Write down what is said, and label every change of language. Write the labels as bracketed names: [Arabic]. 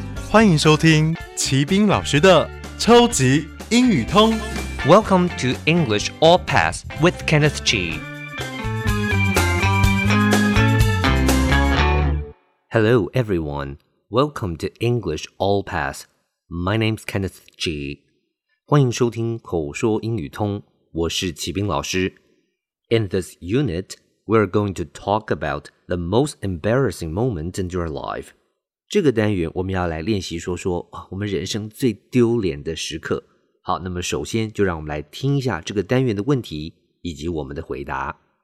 [Chinese] 欢迎收听齐宾老师的超级英语通。 [English] Welcome to English All Pass with Kenneth G. Hello, everyone. Welcome to English All Pass. My name's Kenneth G. [Chinese] 欢迎收听口说英语通，我是齐宾老师。 [English] In this unit, we're going to talk about the most embarrassing moment in your life. [Chinese] 这个单元我们要来练习说说我们人生最丢脸的时刻。好，那么首先就让我们来听一下这个单元的问题以及我们的回答。